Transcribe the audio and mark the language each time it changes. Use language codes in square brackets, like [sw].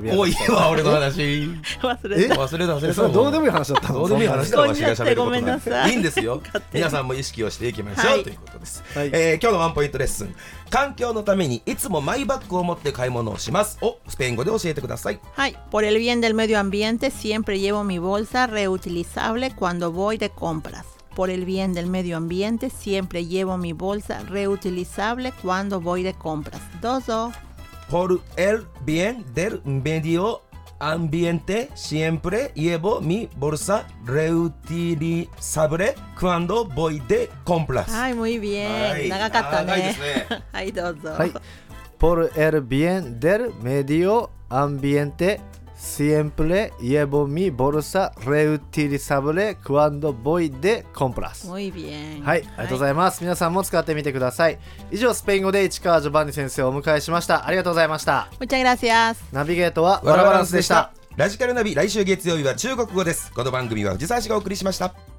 [ja] おいは俺の話忘れた、忘れた、忘れた。それどうでもいい話だった。どうでもいい話だったわしが喋ることなさい。いいんですよ、皆さんも意識をしていきましょう、はい、ということです、はい。今日のワンポイントレッスン、環境のためにいつもマイバッグを持って買い物をします、をスペイン語で教えてください。 [es] はい、 Por el bien del medio ambiente siempre llevo mi bolsa reutilizable cuando voy de compras. Por el bien del medio ambiente siempre llevo mi bolsa reutilizable cuando voy de compras. [ja] Dozo. [es] Por el bien del medio ambiente siempre llevo mi bolsa reutilizable cuando voy de compras. [ja] はい、 [es] muy bien. [ja] 長かったね。長いですね。はい、どうぞ。はい。 [es] Por el bien del medio ambiente siempre llevo mi bolsa reutilizable cuando voy de compras. Muy bien. [ja] はい、ありがとうございます。皆さんも使ってみてください。以上、スペイン語で市川ジョバンニ先生をお迎えしました。ありがとうございました。 [es] Muchas gracias. [ja] ナビゲートはワラバランスでした。ラジカルナビ、来週月曜日は中国語です。この番組は藤沢氏がお送りしました。